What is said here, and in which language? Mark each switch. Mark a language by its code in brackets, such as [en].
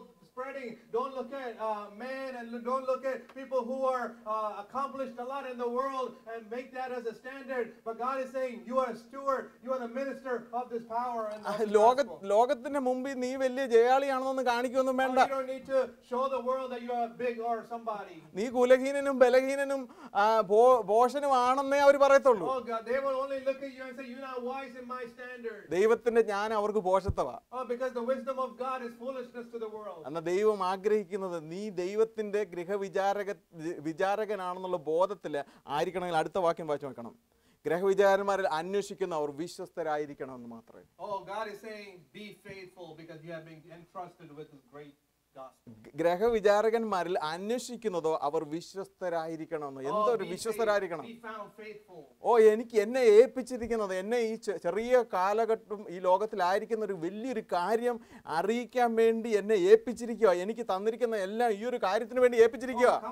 [en] spreading don't look at men and don't look at people who are accomplished a lot in the world and make that as a standard but God is saying you are a steward you are the minister of this power and [ml] ലോകത്തിനു മുമ്പി നീ വലിയ ജയാളിയാണെന്നൊന്നും കാണിക്കൊന്നും വേണ്ട [en] you don't need to show the world that you are big or somebody [ml] നീ കുലഹീനനും ബലഹീനനും ഭോഷനും ആണെന്നേ അവർ പറയത്തുള്ളൂ [en] they will only look at you and say you are not wise in my standard [ml] ദൈവത്തിന്റെ ജ്ഞാനം അവർക്ക് ഭോഷത്വമാ [en] oh because the wisdom of God is foolishness to the world [ml] ദൈവം ആഗ്രഹിക്കുന്നത് നീ ദൈവത്തിന്റെ ഗൃഹ വിചാരകനാണെന്നുള്ള ബോധത്തിൽ ആയിരിക്കണമെങ്കിൽ അടുത്ത വാക്യം വായിച്ചു വെക്കണം ഗ്രഹവിചാരന്മാരിൽ അന്വേഷിക്കുന്ന അവർ വിശ്വസ്തരായിരിക്കണം എന്ന് മാത്രമേ. [en] Oh, God is saying, be faithful because you have been entrusted with this great [ml] ഗ്രഹവിചാരകന്മാരിൽ അന്വേഷിക്കുന്നതോ അവർ വിശ്വസ്തരായിരിക്കണമെന്ന്. എന്തൊരു വിശ്വസ്തരായിരിക്കണം. ഓ, എനിക്ക് എന്നെ ഏൽപ്പിച്ചിരിക്കുന്നത്, എന്നെ ഈ ചെറിയ കാലഘട്ടം ഈ ലോകത്തിലായിരിക്കുന്ന ഒരു വലിയൊരു കാര്യം അറിയിക്കാൻ വേണ്ടി എന്നെ ഏൽപ്പിച്ചിരിക്കുക, എനിക്ക് തന്നിരിക്കുന്ന എല്ലാം ഈ ഒരു കാര്യത്തിന് വേണ്ടി ഏൽപ്പിച്ചിരിക്കുക.